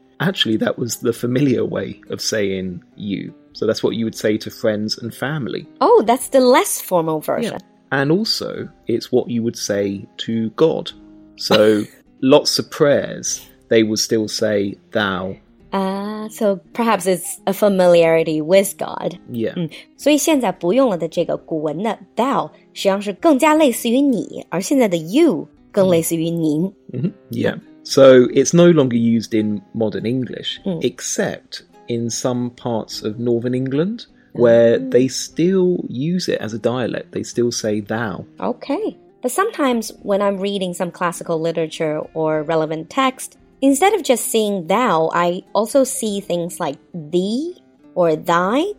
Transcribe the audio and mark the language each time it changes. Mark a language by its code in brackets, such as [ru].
[en] Actually, that was the familiar way of saying you. So that's what you would say to friends and family. Oh, that's the less formal version. Yeah. And also, it's what you would say to God. So lots of prayers, they will still say thou. So perhaps it's a familiarity with God. Yeah. [zh] 所以现在不用了的这个古文的 thou, 实际上是更加类似于你，而现在的 you 更类似于您。 [en] Yeah. So it's no longer used in modern English, except in some parts of Northern England, where they still use it as a dialect. They still say thou. Okay. But sometimes when I'm reading some classical literature or relevant text,Instead of just seeing thou, I also see things like thee or thy.